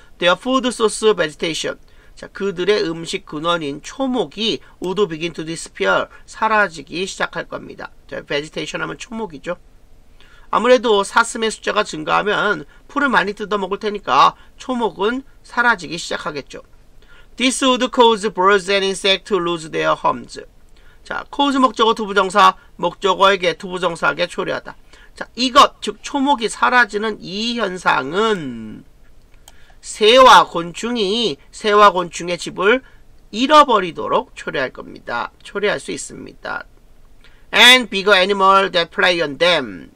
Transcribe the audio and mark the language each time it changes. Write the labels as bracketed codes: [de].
[en] Their food source vegetation. [ko] 자, 그들의 음식 근원인 초목이 [en] would begin to disappear. [ko] 사라지기 시작할 겁니다. 자, vegetation 하면 초목이죠. 아무래도 사슴의 숫자가 증가하면 풀을 많이 뜯어먹을 테니까 초목은 사라지기 시작하겠죠. [en] This would cause birds and insects to lose their homes. [ko] 자, cause 목적어 투부정사, 목적어에게 투부정사하게 초래하다. 자, 이것, 즉 초목이 사라지는 이 현상은 새와 곤충의 집을 잃어버리도록 초래할 겁니다. 초래할 수 있습니다. [en] And bigger animal that prey on them.